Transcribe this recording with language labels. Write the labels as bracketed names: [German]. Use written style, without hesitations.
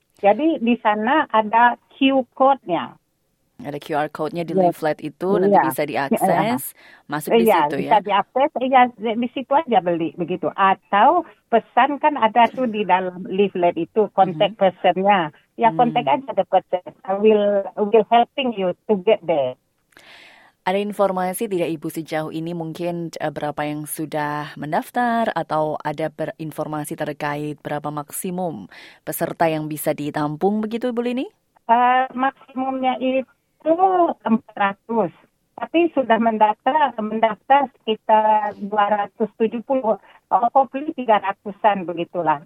[Indonesian] Jadi di sana ada QR code-nya. Ada QR code-nya di leaflet itu, nanti bisa diakses, masuk di situ bisa diakses, di situ aja beli begitu. Atau pesan kan ada tuh di dalam leaflet itu, kontak person-nya. Ya, kontak aja the person. [English] I will helping you to get there. [Indonesian] Ada informasi tidak Ibu sejauh ini mungkin berapa yang sudah mendaftar atau ada informasi terkait berapa maksimum peserta yang bisa ditampung begitu Ibu Lini? Maksimumnya itu 400. Tapi sudah mendaftar sekitar 270, hopefully 300-an begitulah.